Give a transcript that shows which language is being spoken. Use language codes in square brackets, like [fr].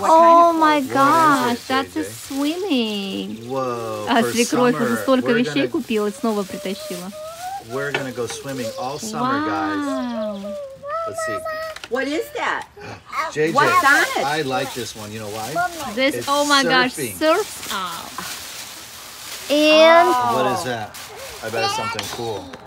[en] Oh my gosh, that's a swimming. Whoa. [ru] А свекровь уже столько вещей купила и снова притащила. [en] We're gonna go swimming all summer, guys. Let's see. What is that? JJ, what's on it? I like this one. You know why? This. Oh my gosh, surf up. And what is that? I bet it's something cool.